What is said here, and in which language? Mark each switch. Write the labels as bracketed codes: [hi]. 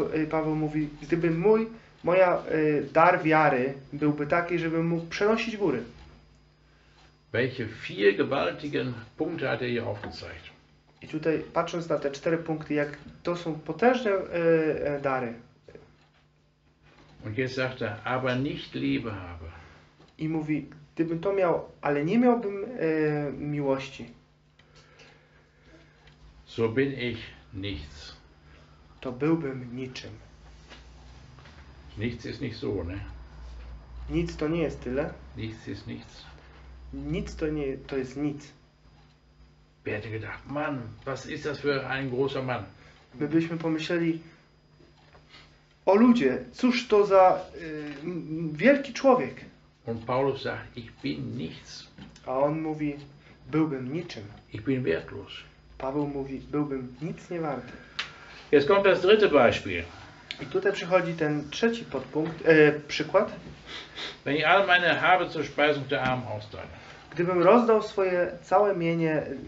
[pl] Paweł mówi, gdyby moja dar wiary byłby taki, żebym mógł przenosić góry. [de] Welche vier gewaltigen Punkte hat er hier aufgezeigt? [pl] I tutaj, patrząc na te cztery punkty, jak to są potężne dary. [de] Und jetzt sagt er, aber nicht Liebe habe. [pl] I mówi, gdybym to miał, ale nie miałbym miłości. [de] So bin ich nichts. [pl] To byłbym niczym. [de] Nichts ist nicht so, ne? [pl] Nic to nie jest tyle. [de] Nichts ist nichts. [pl] Nic to nie, to jest nic. [de] Wer hätte gedacht, Mann, was ist das für ein großer Mann? [pl] My byśmy pomyśleli, o ludzie, cóż to za wielki człowiek? [de] Und Paulus sagt, ich bin nichts. [pl] A on mówi, byłbym niczym. [de] Ich bin wertlos. [pl] Paweł mówi, byłbym nic nie warty. [de] Jetzt kommt das dritte Beispiel. [pl] I tutaj przychodzi ten trzeci podpunkt, przykład. [de] Wenn ich all meine habe zur Speisung der Armen austeile. [pl] Gdybym rozdał swoje całe mienie